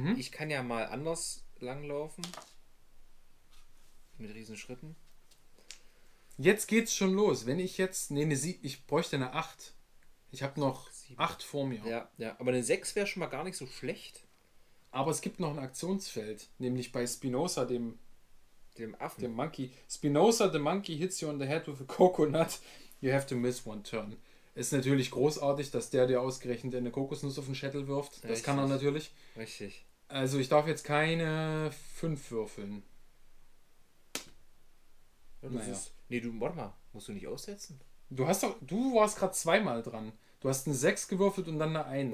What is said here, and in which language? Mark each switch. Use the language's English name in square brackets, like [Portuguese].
[German] Ich kann ja mal anders langlaufen. Mit Riesenschritten. Jetzt geht's schon los. Wenn ich jetzt, ich bräuchte eine 8. Ich habe noch 7. 8 vor mir. Ja, ja, aber eine 6 wäre schon mal gar nicht so schlecht. Aber es gibt noch ein Aktionsfeld, nämlich bei Spinoza, dem Affen, dem Monkey. [English] Spinoza, the monkey, hits you on the head with a coconut. You have to miss one turn. [German] Ist natürlich großartig, dass der dir ausgerechnet eine Kokosnuss auf den Schädel wirft. Das Richtig. Kann er natürlich. Richtig. Also ich darf jetzt keine 5 würfeln. Warte mal, musst du nicht aussetzen? Du warst gerade zweimal dran. Du hast eine 6 gewürfelt und dann eine 1.